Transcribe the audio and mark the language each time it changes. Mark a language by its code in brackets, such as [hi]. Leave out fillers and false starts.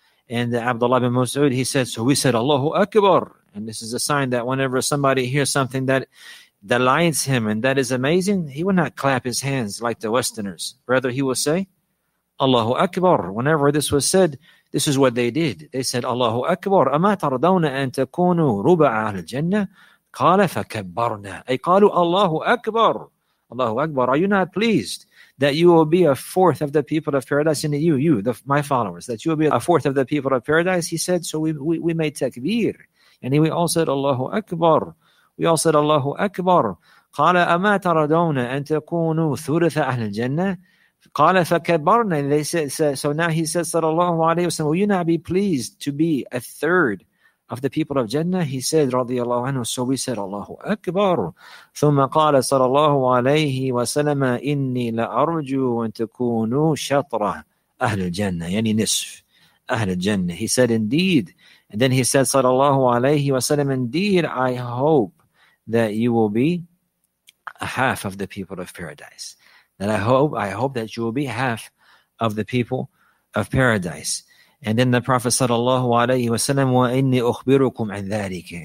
[en] And Abdullah bin Mas'ud, he said, so we said Allahu Akbar. And this is a sign that whenever somebody hears something that delights him and that is amazing, he will not clap his hands like the Westerners. Rather, he will say Allahu Akbar. Whenever this was said, this is what they did. They said Allahu Akbar. [ar] أما تردون أن تكونوا ربع أهل الجنة؟ قال فكبرنا. أي قالوا [en] Allahu Akbar. Allahu Akbar. Are you not pleased that you will be a fourth of the people of paradise? And my followers, that you will be a fourth of the people of paradise? He said, so we made takbir. And we all said Allahu Akbar. We all said Allahu Akbar. [ar] قال أما تردون أن تكونوا ثلث أهل الجنة؟ قال فكبرنا. [en] And they said, so now he says, sallallahu alayhi wa sallam, will you not be pleased to be a third of the people of Jannah? He said, radiallahu anhu, so we said, Allahu Akbar. [ar] ثم قال sallallahu alayhi wa sallam, إني لأرجو أن تكونوا شطرة أهل الجنة, يعني نصف أهل الجنة. [en] He said, indeed. And then he said, sallallahu alayhi wa sallam, indeed, I hope that you will be a half of the people of paradise. That I hope that you will be half of the people of paradise. And then the Prophet sallallahu alaihi wasallam, [ar] wa inni ukhbirukum an dhalika.